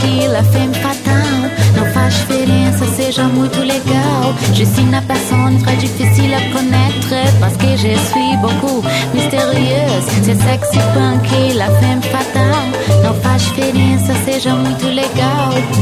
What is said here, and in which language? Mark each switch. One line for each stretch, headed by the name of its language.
Portuguese: La femme fatale, não faz diferença, seja muito legal.
French: Je suis une personne très difficile à connaître, parce que je suis beaucoup mystérieuse.
Portuguese: C'est sexy punk, la femme fatale, não faz diferença, seja muito legal.